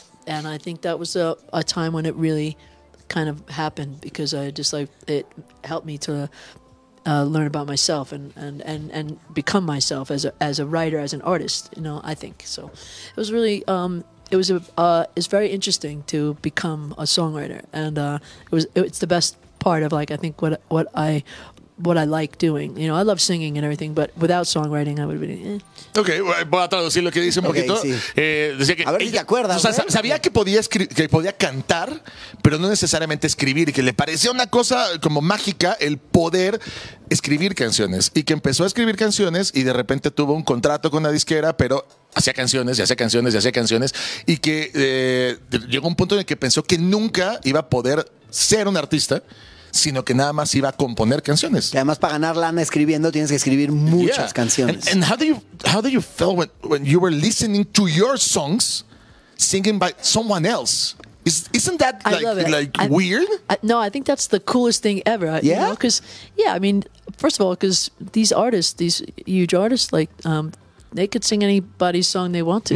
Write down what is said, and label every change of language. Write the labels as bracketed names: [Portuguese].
[English] And I think that was a time when it really kind of happened, because I just like it helped me to learn about myself and become myself as a writer, as an artist, you know. I think so. It was really it's very interesting to become a songwriter, and it's the best part of, like, I think what I like doing. You know, I love singing and everything, but without songwriting I would be [Spanish] Okay, voy a traducir lo que dice un poquito. Okay, sí. Decía que a ver si te acuerdas, o sea, sabía que podía cantar, pero no necesariamente escribir, que le parecía una cosa como mágica el poder escribir canciones, y que empezó a escribir canciones y de repente tuvo un contrato con una disquera, pero hacía canciones y hacía canciones y hacía canciones, y que llegó un punto en el que pensó que nunca iba a poder ser un artista, sino que nada más iba a componer canciones. Y además, para ganar lana escribiendo, tienes que escribir muchas canciones. [English] And how do you feel when you were listening to your songs singing by someone else? Isn't that weird? I think that's the coolest thing ever. Yeah. Because, you know, I mean, first of all, because these artists, these huge artists, like, they could sing anybody's song they want to.